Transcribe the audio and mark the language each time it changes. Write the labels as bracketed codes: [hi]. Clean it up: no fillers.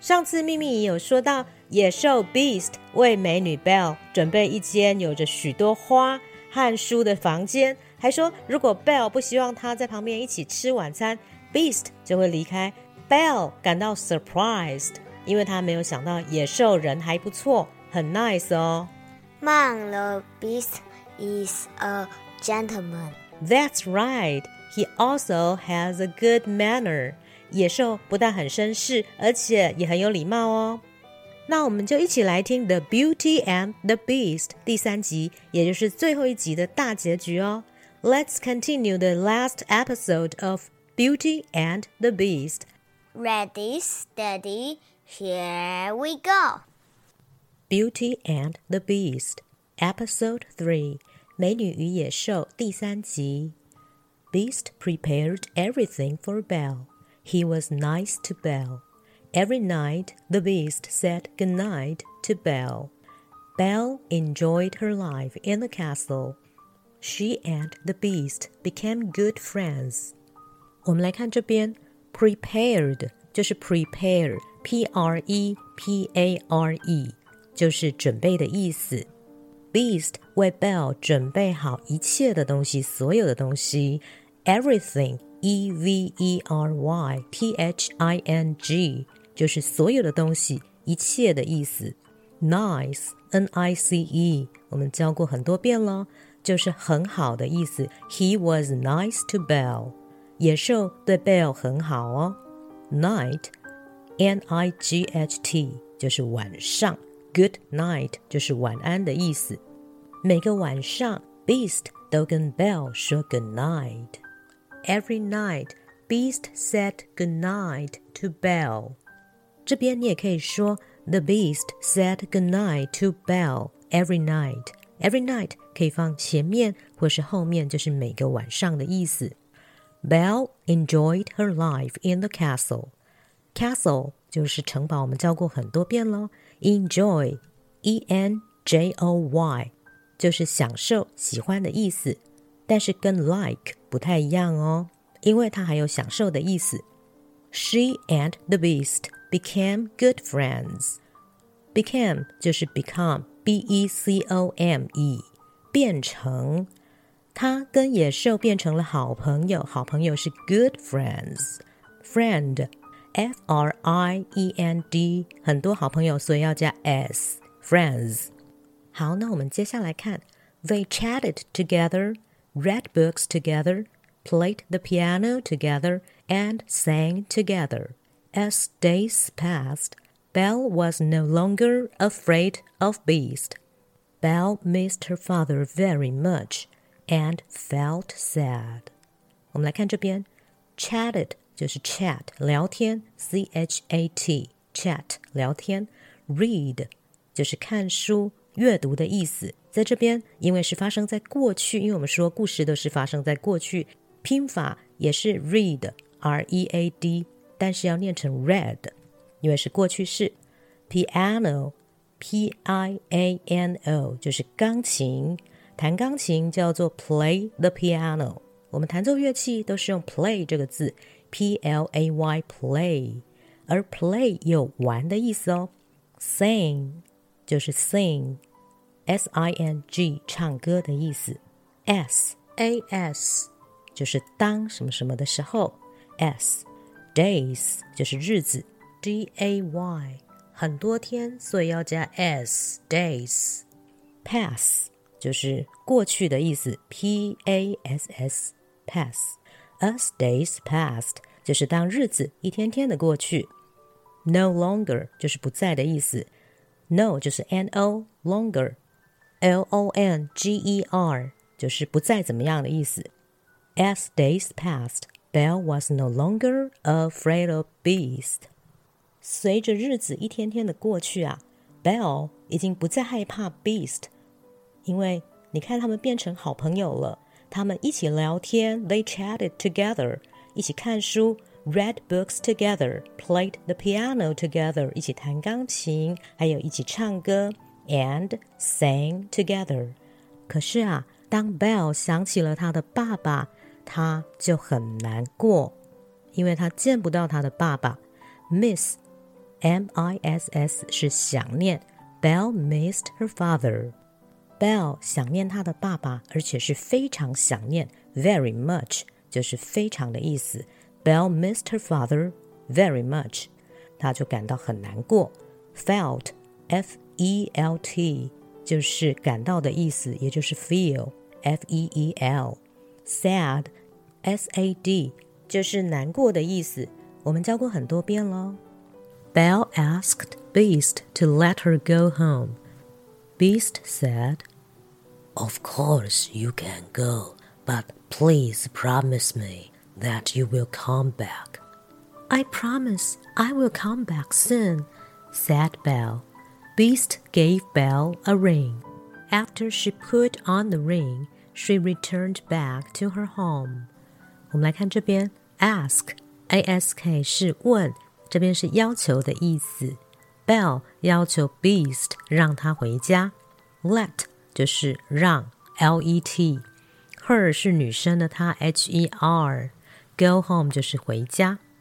[zh] 上次咪咪有说到野兽 Beast 为美女 Belle 准备一间有着许多花和书的房间，还说如果 Belle 不希望她在旁边一起吃晚餐， Beast 就会离开。 Belle 感到 surprised， 因为她没有想到野兽人还不错，很 nice 哦。 [en] Man, the Beast is a gentleman. That's right. He also has a good manner. [zh] 野兽不但很绅士，而且也很有礼貌哦。那我们就一起来听 The Beauty and the Beast 第三集，也就是最后一集的大结局哦。 [en] Let's continue the last episode of Beauty and the Beast. Ready, steady, here we go. Beauty and the Beast Episode 3 [zh] 美女与野兽第三集。 [en] Beast prepared everything for Belle. He was nice to BellEvery night, the Beast said goodnight to Belle. Belle enjoyed her life in the castle. She and the Beast became good friends. [zh] 我们来看这边 ,prepared, 就是 prepare, P-R-E-P-A-R-E, 就是准备的意思。 Beast 为 Belle 准备好一切的东西，所有的东西。 Everything, E-V-E-R-Y-T-H-I-N-G,就是所有的东西，一切的意思。 Nice, N-I-C-E, 我们教过很多遍了，就是很好的意思。 [en] He was nice to Belle. [zh] 野兽对 Belle 很好哦。 Night, N-I-G-H-T, 就是晚上。 Good night, 就是晚安的意思。每个晚上 Beast 都跟 Belle 说 good night. [en] Every night, Beast said good night to Belle. [zh] 这边你也可以说 [en] The Beast said goodnight to Belle every night. [zh] Every night 可以放前面或是后面，就是每个晚上的意思。 [en] Belle enjoyed her life in the castle. [zh] Castle 就是城堡，我们教过很多遍咯。Enjoy, E-N-J-O-Y, 就是享受、喜欢的意思。但是跟 like 不太一样哦，因为它还有享受的意思。 [en] She and the Beast became good friends. [zh] Became 就是 become, B-E-C-O-M-E, 变成。他跟野兽变成了好朋友，好朋友是 good friends. Friend, F-R-I-E-N-D, 很多好朋友，所以要加 S, friends. 好，那我们接下来看。 [en] They chatted together, read books together,played the piano together and sang together. As days passed, Belle was no longer afraid of Beast. Belle missed her father very much and felt sad. [zh] 我们来看这边 chatted 就是 chat, 聊天 C-H-A-T, chat, 聊天 read 就是看书阅读的意思。在这边因为是发生在过去，因为我们说故事都是发生在过去，拼法也是 read, R-E-A-D, 但是要念成 read, 因为是过去式。 Piano, P-I-A-N-O, 就是钢琴。弹钢琴叫做 play the piano。我们弹奏乐器都是用 play 这个字 ,P-L-A-Y, play。而 play 有玩的意思哦。Sing, 就是 sing, S-I-N-G, 唱歌的意思。 S-A-S,就是当什么什么的时候 S Days 就是日子 D-A-Y 很多天，所以要加 S Days Pass 就是过去的意思 P-A-S-S Pass As days passed 就是当日子一天天的过去。 No longer 就是不在的意思。No 就是 N-O Longer L-O-N-G-E-R 就是不再怎么样的意思。 [en] As days passed, Belle was no longer afraid of Beast. [zh] 随着日子一天天的过去啊， Belle 已经不再害怕 Beast， 因为你看他们变成好朋友了，他们一起聊天 [en] They chatted together， [zh] 一起看书 [en] Read books together， Played the piano together， [zh] 一起弹钢琴，还有一起唱歌 [en] And sang together。 [zh] 可是啊，当 Belle 想起了他的爸爸，他就很难过，因为他见不到他的爸爸。 Miss M-I-S-S 是想念， [en] Belle missed her father。 [zh] Belle 想念他的爸爸，而且是非常想念， very much 就是非常的意思。 [en] Belle missed her father very much， [zh] 他就感到很难过。 Felt F-E-L-T 就是感到的意思，也就是 feel F-E-E-L。 Sad S-A-D 就是难过的意思，我们教过很多遍咯。 [en] Belle asked Beast to let her go home. Beast said, Of course you can go, but please promise me that you will come back. I promise I will come back soon, said Belle. Beast gave Belle a ring. After she put on the ring, she returned back to her home. [zh] 我们来看这边 ask, A-S-K 是问，这边是要求的意思。 Belle 要求 Beast 让他回家， Let 就是让 L-E-T， Her 是女生的她 H-E-R， Go home 就是回家。